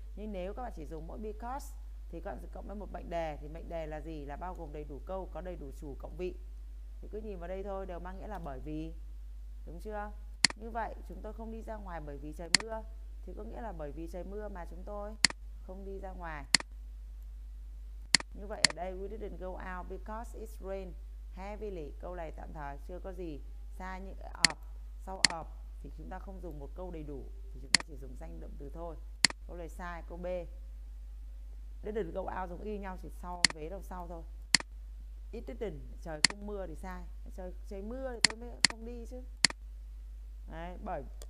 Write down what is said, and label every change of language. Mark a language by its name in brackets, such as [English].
[Vietnamese] Nhưng nếu các bạn chỉ dùng mỗi because thì các bạn sẽ cộng với một mệnh đề. Thì mệnh đề là gì? Là bao gồm đầy đủ câu có đầy đủ chủ cộng vị. Thì cứ nhìn vào đây thôi, đều mang nghĩa là bởi vì. Đúng chưa? Như vậy chúng tôi không đi ra ngoài bởi vì trời mưa. Thì có nghĩa là bởi vì trời mưa mà chúng tôi không đi ra ngoài. Như vậy ở đây [English] we didn't go out because it's rain heavily. [Vietnamese] Câu này tạm thời chưa có gì sai, những of sau of thì chúng ta không dùng một câu đầy đủ thì chúng ta chỉ dùng danh động từ thôi. Câu này sai. Câu B didn't go out dùng y nhau, chỉ sau vế đầu sau thôi. [English] It didn't, [Vietnamese] trời không mưa thì sai. Trời mưa thì tôi mới không đi chứ. Đấy, bởi.